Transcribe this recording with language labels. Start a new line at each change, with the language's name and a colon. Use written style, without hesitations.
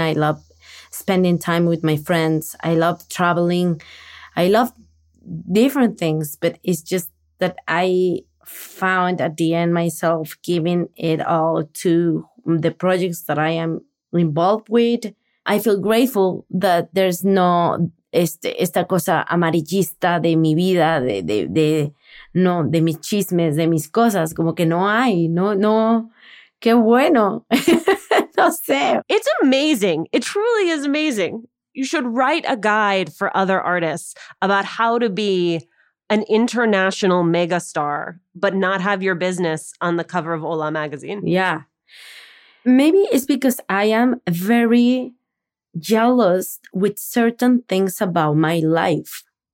English: I love spending time with my friends. I love traveling. I love different things, but it's just that I found at the end myself giving it all to the projects that I am involved with. I feel grateful that there's no
Spanish: esta cosa amarillista de mi vida, de mis chismes, de mis cosas, como que no hay, no, qué bueno. No sé.
English: It's amazing. It truly is amazing. You should write a guide for other artists about how to be an international megastar, but not have your business on the cover of Hola magazine. Yeah. Maybe it's because I am very jealous with certain things about my life.